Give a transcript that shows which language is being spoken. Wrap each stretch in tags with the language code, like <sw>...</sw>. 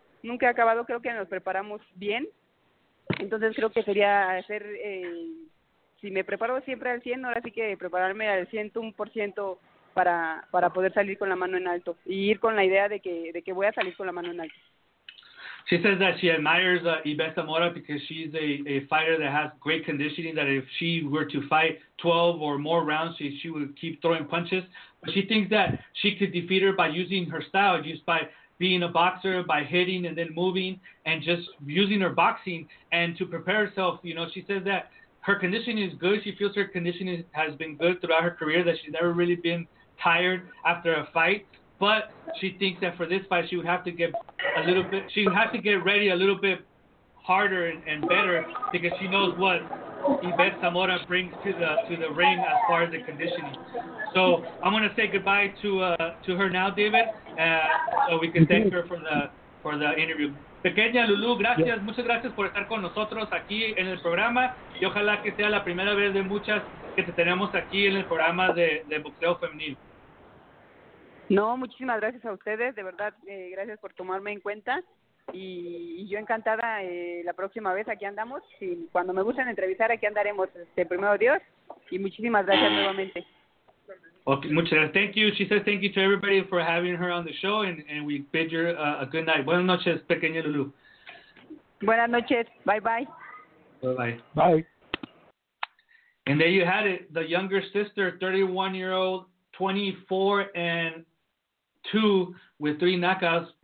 <es>Nunca he acabado, creo que nos preparamos bien. Entonces creo que sería hacer, si me preparo siempre al 100, ahora sí que prepararme al 101% para poder salir con la mano en alto y ir con la idea de que voy a salir con la mano en alto.</es> <en>She says that she admires Ivette Zamora because she's a fighter that has great conditioning, that if she were to fight 12 or more rounds, she would keep throwing punches. But she thinks that she could defeat her by using her style, just by being a boxer, by hitting and then moving and just using her boxing and to prepare herself. You know, she says that her conditioning is good. She feels her conditioning has been good throughout her career, that she's never really been tired after a fight. But she thinks that for this fight, she would have to get a little bit, she would have to get ready a little bit harder and better, because she knows what Ivette Zamora brings to the ring as far as the conditioning. So I'm going to say goodbye to her now, David, so we can thank her for the interview.</en> <es>Pequeña Lulú, gracias, yeah. Muchas gracias por estar con nosotros aquí en el programa, y ojalá que sea la primera vez de muchas que te tenemos aquí en el programa de boxeo femenil. No, muchísimas gracias a ustedes, de verdad, gracias por tomarme en cuenta, y yo encantada, la próxima vez aquí andamos, y cuando me gusten entrevistar aquí andaremos, primero Dios, y muchísimas gracias nuevamente.</es> <en>Okay,</en> <es>muchas gracias,</es> <en>thank you, she says thank you to everybody for having her on the show, and we bid you a good night.</en> <es>Buenas noches, pequeña Lulú. Buenas noches,</es> <en>bye bye. Bye bye. Bye. And there you had it, the younger sister, 31-year-old, 24-2 with 3 knockouts.</en>